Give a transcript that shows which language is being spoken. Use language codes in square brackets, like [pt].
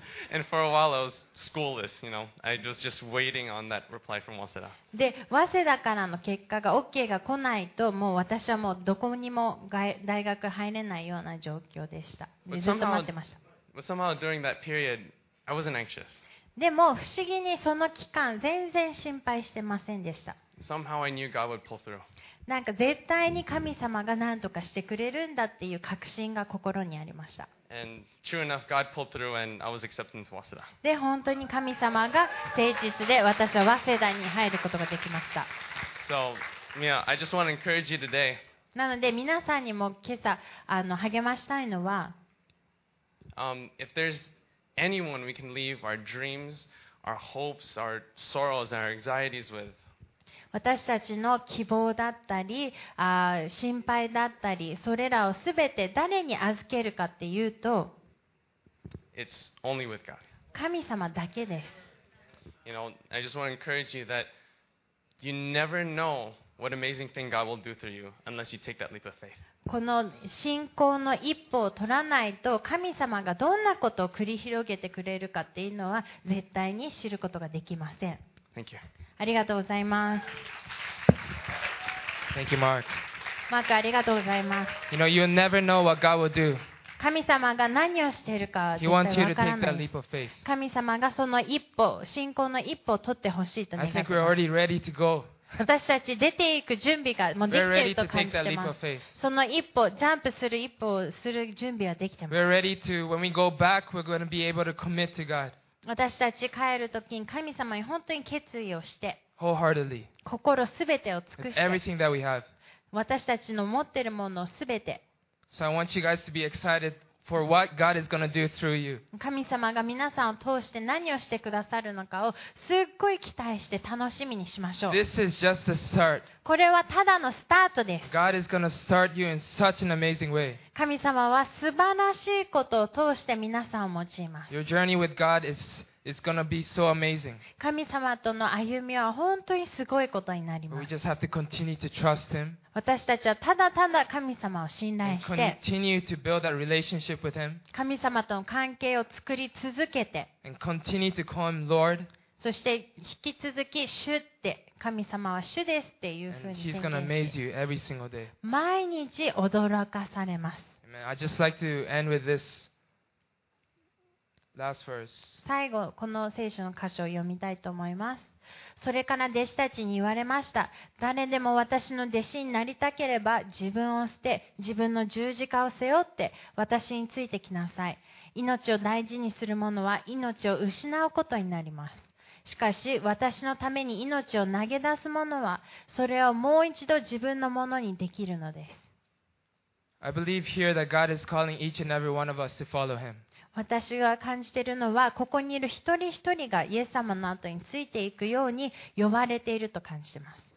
[en] And for a while I was schoolless, you know. I was just waiting on that reply from Waseda. [ja] で、早稲田からの結果が OK が来ないと、もう私はもうどこにも大学入れないような状況でした。で、ずっと待ってました。 [en] But somehow during that period, I wasn't anxious. [ja] でも不思議にその期間全然心配してませんでした。 [en] Somehow I knew God would pull through. [ja] なんか絶対に神様が何とかしてくれるんだっていう確信が心にありました。 [en] And true enough, God pulled through and I was accepted into Waseda. [ja] で、本当に神様が誠実で私は早稲田に入ることができました。 [en] So, Mia, I just want to encourage you today. [ja] なので皆さんにも今朝励ましたいのは、 [en] if there'sAnyone we can leave our dreams, our hopes, our sorrows, and our anxieties with. [ja] 私たちの希望だったり、心配だったり、それらをすべて誰に預けるかっていうと、 [en] It's only with God. [ja] 神様だけです。 [en] You know, I just want to encourage you that you never know what amazing thing God will do through you unless you take that leap of faith. [ja] この信仰の一歩を取らないと、神様がどんなことを繰り広げてくれるかっていうのは絶対に知ることができません。 [en] Thank you. [ja] ありがとうございます。 [en] Thank you, Mark. [ja] マーク、ありがとうございます。 [en] You know, you'll never know what God will do. [ja] 神様が何をしているか絶対分からない。神様がその一歩、信仰の一歩を取ってほしいと願います。私たち出ていく準備がもうできていると感じてます。その一歩、ジャンプする一歩をする準備はできてます。 [en] We're ready to, when we go back, we're going to be able to commit to God. [ja] 私たち帰るときに神様に本当に決意をして、 [en] wholeheartedly. [ja] 心すべてを尽くして、 [en] everything that we have. [ja] 私たちの持っているものすべて。 [en] So I want you guys to be excited for what God is going to do through you. [ja] 神様が皆さんを通して何をしてくださるのかをすっごい期待して楽しみにしましょう。 [en] This is just a start. [ja] これはただのスタートです。 [en] God is going to start you in such an amazing way. [ja] 神様は素晴らしいことを通して皆さんを用います。 [en] Your journey with God is going to be so amazing. [ja] 神様との歩みは本当にすごいことになります。 [en] We just have to continue to trust Him. [ja] 私たちはただただ神様を信頼して、 [en] continue to build that relationship with him, [ja] 神様との関係を作り続けて、 [en] and continue to call him Lord, [ja] そして引き続き主って、神様は主ですっていうふうに宣言し、 [en] and he's gonna amaze you every single day. [ja] 毎日驚かされます。 [en] Amen. I'd just like to end with this last verse. [ja] 最後、この聖書の箇所を読みたいと思います。それから弟子たちに言われました。誰でも私の弟子になりたければ自分を捨て自分の十字架を背負って私についてきなさい。命を大事にする者は命を失うことになります。しかし私のために命を投げ出す者はそれをもう一度自分のものにできるのです。 [en] I believe here that God is calling each and every one of us to follow him. [ja] 私が感じているのはここにいる一人一人がイエス様の後についていくように呼ばれていると感じています。